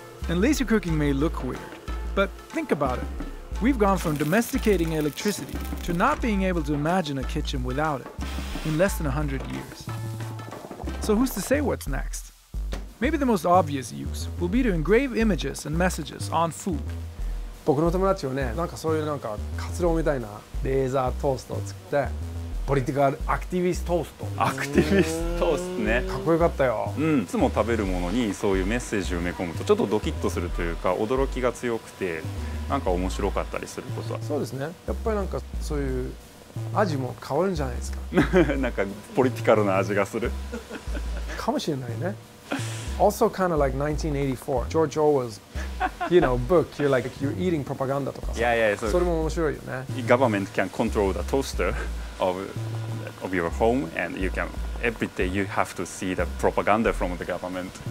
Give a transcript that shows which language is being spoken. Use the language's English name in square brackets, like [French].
[English] And laser cooking may look weird, but think about it. We've gone from domesticating electricity to not being able to imagine a kitchen without it. In less than 100 years. So who's to say what's next? Maybe the most obvious use will be to engrave images and messages on food. [Japanese] 僕の友達はね、なんかそういうなんか活動みたいなレーザートーストを作って、ポリティカルアクティビストースト。アクティビストーストね。かっこよかったよ。うん。いつも食べるものにそういうメッセージを埋め込むと、ちょっとドキッとするというか、驚きが強くて、なんか面白かったりすることは。そうですね。やっぱりなんかそういう味も変わるんじゃないですか。なんかポリティカルな味がする。かもしれないね。 [English] Also kind of like 1984, George Orwell's, you know, book. You're like you're eating propaganda [Japanese] とか。いやいや、そう。それも面白いよね。 [English] Government can control the toaster of your home, and you can every day you have to see the propaganda from the government.